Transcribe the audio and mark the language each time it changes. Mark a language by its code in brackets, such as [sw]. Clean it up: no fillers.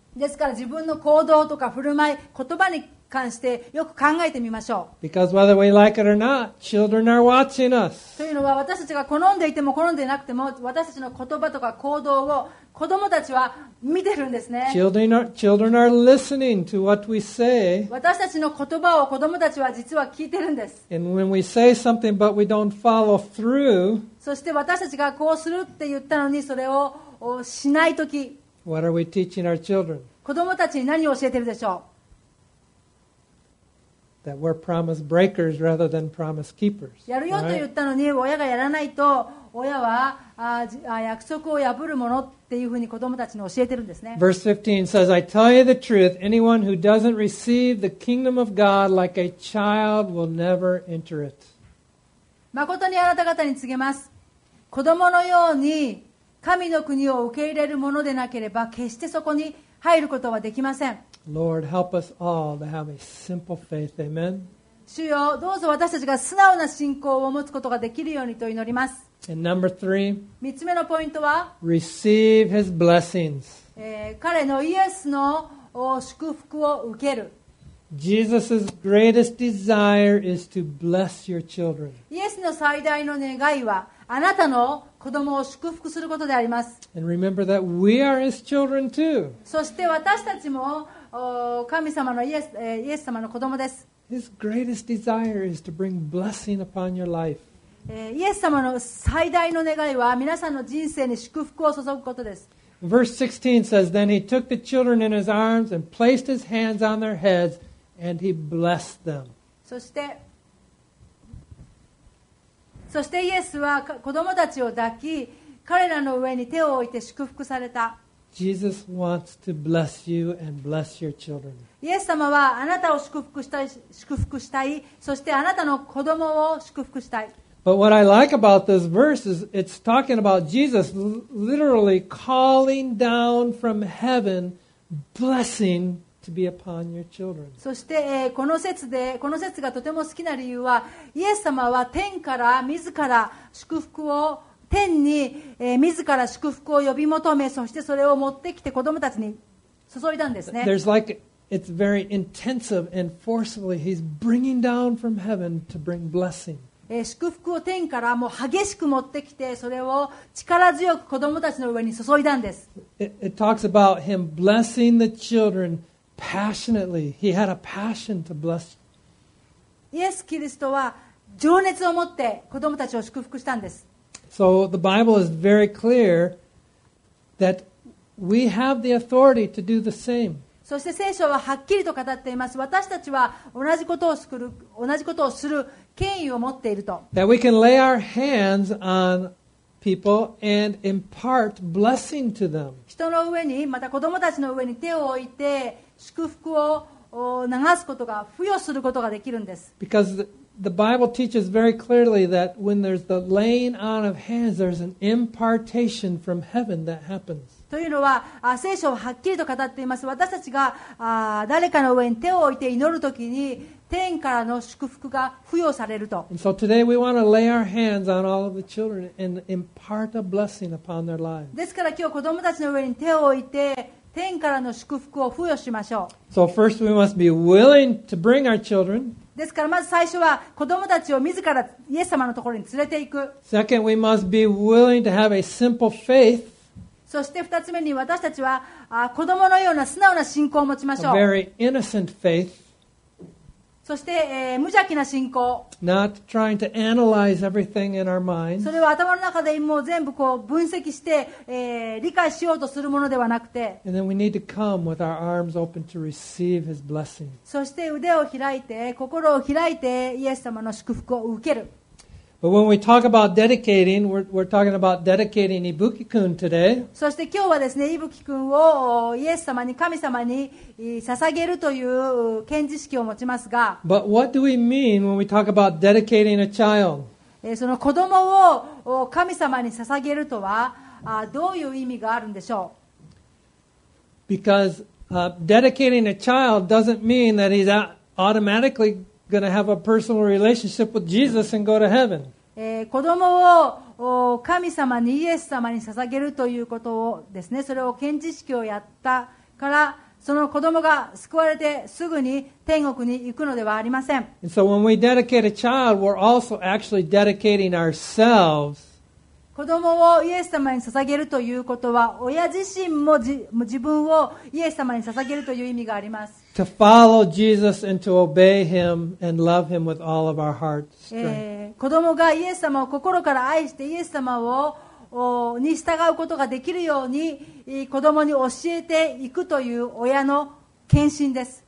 [ja] ですから自分の行動とか振る舞い、言葉に関してよく考えてみましょう。 [en] Because whether we like it or not, children are watching us. [ja] というのは私たちが好んでいても好んでいなくても、私たちの言葉とか行動を子供たちは見てるんですね。 [en] Children are listening to what we say. [ja] 私たちの言葉を子供たちは実は聞いてるんです。 [en] And when we say something but we don't follow through, [ja] そして私たちがこうするって言ったのにそれをしないとき、 [en] What are we teaching our children? [ja] 子供たちに何を教えてるでしょう? [en] That we're promise breakers rather than promise keepers. [ja] やるよと言ったのに親がやらないと親は約束を破るものっていうふうに子供たちに教えてるんですね。 [en] Verse 15 says, I tell you the truth, anyone who doesn't receive the kingdom of God like a child will never enter it. [ja] 誠にあなた方に告げます。子供のように神の国を受け入れるものでなければ決してそこに入ることはできません。 [en] Lord, help us all to have a simple faith. Amen. [ja] 主よ、どうぞ私たちが素直な信仰を持つことができるようにと祈ります。 [en] And number three, [ja] 3つ目のポイントは [en] Receive his blessings. [ja] 彼のイエスの祝福を受ける。 [en] Jesus' greatest desire is to bless your children. [ja] イエスの最大の願いはあなたの子供を祝福することであります。 [en] And remember that we are his children too. [ja] そして私たちも神様のイエス様の子供です。 [en] His greatest desire is to bring blessing upon your life. [ja] イエス様の最大の願いは皆さんの人生に祝福を注ぐことです。 [en] Verse 16 says, Then he took the children in his arms and placed his hands on their heads and he blessed them. [ja] そしてイエスは子供たちを抱き、彼らの上に手を置いて祝福された。 [en] Jesus wants to bless you and bless your children. [ja] イエス様はあなたを祝福したい、そしてあなたの子供を祝福したい。 [en] But what I like about this verse is it's talking about Jesus literally calling down from heaven blessing to be upon your children. [ja] そしてこの節がとても好きな理由は、イエス様は天から自ら祝福を天に、自ら祝福を呼び求め、そしてそれを持ってきて子供たちに注いだんですね。 [en] There's like it's very intensive and forcefully he's bringing down from heaven to bring blessing. [ja] 祝福を天からもう激しく持ってきて、それを力強く子供たちの上に注いだんです。 [en] it talks about him blessing the children passionately. He had a passion to bless. [ja] イエス・キリストは情熱を持って子供たちを祝福したんです。 [en] So the Bible is very clear that we have the authority to do the same. [ja] そして聖書ははっきりと語っています。私たちは同じことをする権威を持っていると。 [en] That we can lay our hands on people and impart blessing to them. [ja] 人の上に、また子供たちの上に手を置いて祝福を流すことが、付与することができるんです。 [en] Because the Bible teaches very clearly that when there's the laying on of hands, there's an impartation from heaven that happens. [ja] というのは、聖書ははっきりと語っています。私たちが誰かの上に手を置いて祈るときに、天からの祝福が付与されると。 [en] So today we want to lay our hands on all of the children and impart a blessing upon their lives. [ja] ですから今日子どもたちの上に手を置いて、天からの祝福を付与しましょう。 [en] So first we must be willing to bring our children. [ja] ですからまず最初は子供たちを自らイエス様のところに連れていく。 [en] Second we must be willing to have a simple faith. [ja] そして二つ目に、私たちは子供のような素直な信仰を持ちましょう。 [en] A very innocent faith. [ja] そして、無邪気な信仰。 [en] Not trying to analyze everything in our minds. [ja] それは頭の中でもう全部こう分析して、理解しようとするものではなくて。 [en] And then we need to come with our arms open to receive His blessing. [ja] そして腕を開いて、心を開いてイエス様の祝福を受ける。 [en] But when we talk about dedicating, we're talking about dedicating Ibuki-kun today. [ja] そして今日はですね、イブキ君をイエス様に、神様に捧げるという献辞式を持ちますが。 [en] But what do we mean when we talk about dedicating a child? [ja] その子供を神様に捧げるとはどういう意味があるんでしょう。 [en] Because dedicating a child doesn't mean that he's automatically going to have a personal relationship with Jesus and go to heaven. [ja] 子供を神様に、イエス様に捧げるということをですね、それを献辞式をやったから、その子供が救われてすぐに天国に行くのではありません。 [en] And so when we dedicate a child, we're also actually dedicating ourselves. [ja] 子供をイエス様に捧げるということは、親自身も自分をイエス様に捧げるという意味があります。 [en] To follow Jesus and to obey Him and love Him with all of our heart strength. [ja] 子供がイエス様を心から愛してイエス様をに従うことができるように子供に教えていくという親の献身です。